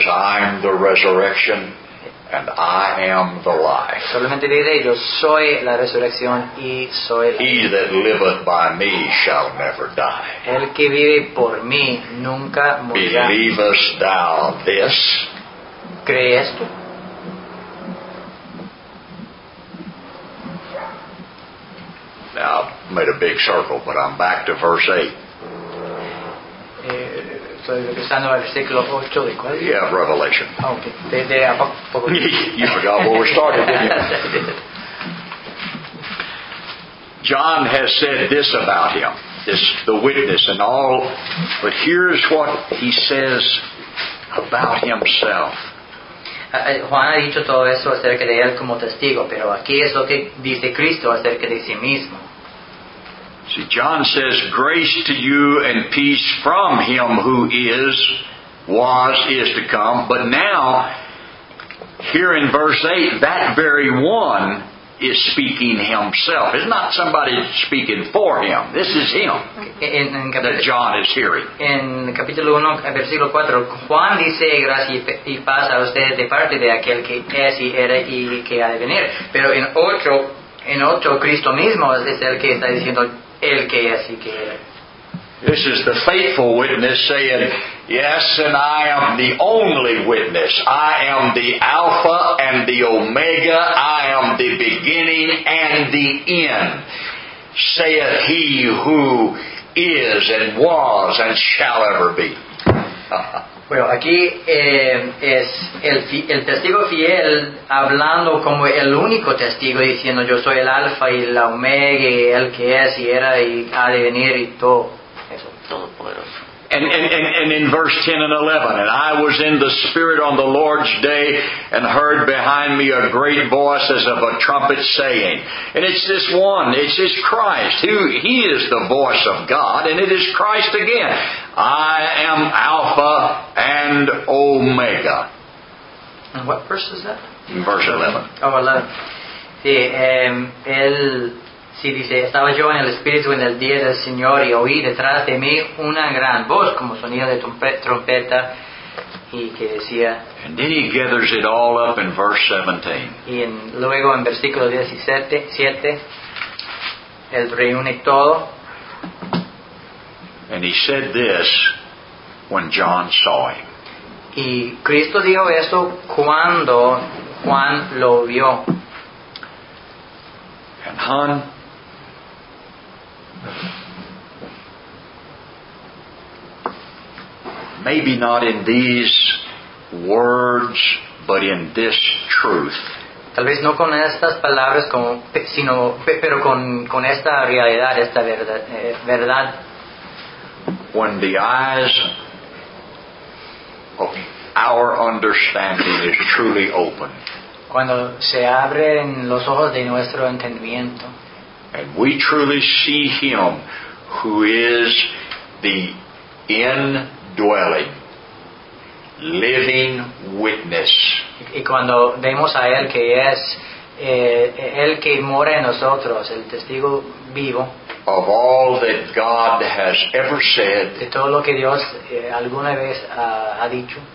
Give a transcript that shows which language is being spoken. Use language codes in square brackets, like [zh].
[en] Says, I'm the resurrection and I am the life. [es] Solamente diré, yo soy la resurrección y soy la vida. [en] He that liveth by me shall never die. [es] El que vive por mí nunca morirá. [en] Believest thou this? [es] ¿Crees tú? [en] Now, I've made a big circle, but I'm back to verse 8. Yeah, Revelation. Okay. You forgot where we started, didn't you? John has said this about him, this, the witness and all, but here's what he says about himself. [es] Juan ha dicho todo eso acerca de él como testigo, pero aquí es lo que dice Cristo acerca de sí mismo. [en] See, John says, grace to you and peace from Him who is, was, is to come. But now, here in verse 8, that very one is speaking himself. It's not somebody speaking for him. This is him that John is hearing. [es] En capítulo 1, versículo 4, Juan dice, gracias y paz a ustedes de parte de aquel que es y era y que ha de venir. Pero en otro, Cristo mismo es el que está diciendo, el que es y que era. [en] This is the faithful witness saying, yes, and I am the only witness. I am the Alpha and the Omega. I am the beginning and the end, saith He who is and was and shall ever be. [es] Bueno, aquí es el testigo fiel hablando como el único testigo, diciendo, yo soy el Alpha y la Omega, el que es y era y ha de venir y todo. [en] And in verse 10 and 11, and I was in the Spirit on the Lord's day and heard behind me a great voice as of a trumpet saying, and it's this one, it's this Christ, he is the voice of God, and it is Christ again. I am Alpha and Omega. And what verse is that? In verse 11. [es] Oh, 11. Sí, él... Sí, dice, estaba yo en el Espíritu en el día del Señor y oí detrás de mí una gran voz como sonido de trompeta y que decía. [en] And then he gathers it all up in verse 17. [es] Y luego en versículo 17. Él reúne todo. [en] And he said this when John saw him. [es] Y Cristo dijo esto cuando Juan lo vio. [en] And Han, maybe not in these words, but in this truth. [es] Tal vez no con estas palabras, como, sino, pero con esta realidad, esta verdad. [en] When the eyes of our understanding is truly open. [es] Cuando se abren los ojos de nuestro entendimiento. [en] And we truly see Him who is the indwelling, living witness. [es] Y cuando vemos a Él que es el que mora en nosotros, el testigo vivo. [en] Of all that God has ever said. [es] De todo lo que Dios alguna vez ha dicho.